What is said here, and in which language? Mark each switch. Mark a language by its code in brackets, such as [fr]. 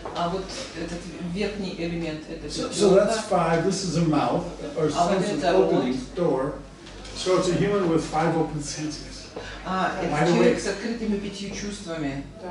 [ru] А вот этот верхний элемент это. [en] So that's five. This is a mouth or sense of opening door. So it's a human with five open senses. [ru] Это человек с открытыми пятью чувствами.